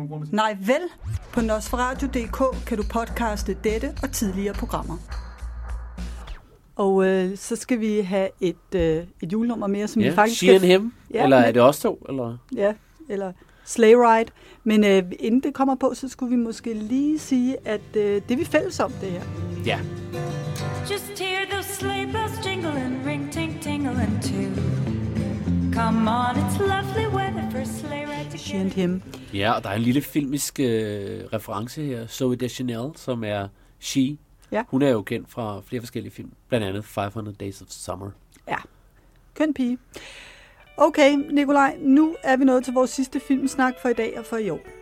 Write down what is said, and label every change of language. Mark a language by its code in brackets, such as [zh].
[da] Nej, vel? På Nosferatu.dk kan du podcaste dette og tidligere programmer. Og så skal vi have et julenummer mere, som vi faktisk... She and Him? Ja, eller er det os to? Eller? Ja, eller Sleigh Ride. Men inden det kommer på, så skulle vi måske lige sige, at det er vi fælles om, det her. Ja. [en] Just hear those sleigh bells jingling, ring ting tingling too. Come on, it's lovely weather for sleigh ride to She and Him. [da] Ja, og der er en lille filmisk reference her. Zooey Deschanel, som er She. Ja. Hun er jo kendt fra flere forskellige film. Blandt andet 500 Days of Summer. Ja, køn pige. Okay, Nikolaj, nu er vi nået til vores sidste filmsnak for i dag og for i år.